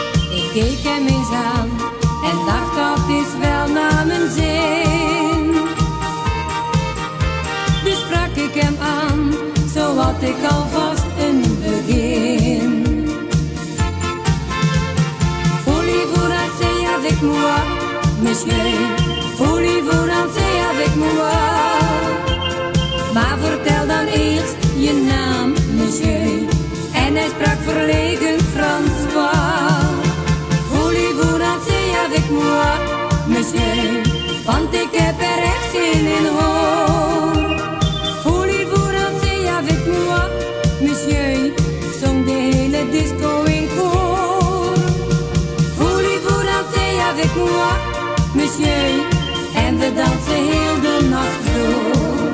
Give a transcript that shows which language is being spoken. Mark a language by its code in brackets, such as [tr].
[nl] Ik keek hem eens aan en dacht dat is wel naar mijn zin. Dus sprak ik hem aan, zo had ik alvast een begin. [fr] Voulez-vous danser avec moi, monsieur? Voulez-vous danser avec moi? [nl] Maar vertel dan eerst je naam, monsieur. En hij sprak verlegen François. [fr] Voulez-vous danser avec moi, monsieur? [nl] Want ik heb er echt zin in, hoor. [fr] Voulez-vous danser avec moi, monsieur? [nl] Zong de hele disco in koor. [fr] Voulez-vous danser avec moi, monsieur? [nl] En we dansen heel de nacht door.